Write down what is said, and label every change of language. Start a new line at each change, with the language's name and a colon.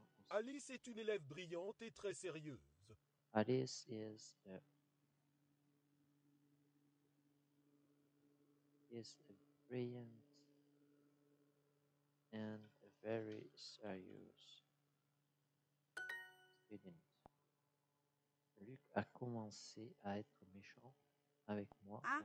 French: Alice est une élève brillante et très sérieuse.
English: Alice is a brilliant and a very serious student.
French: Luc a commencé à être méchant avec moi.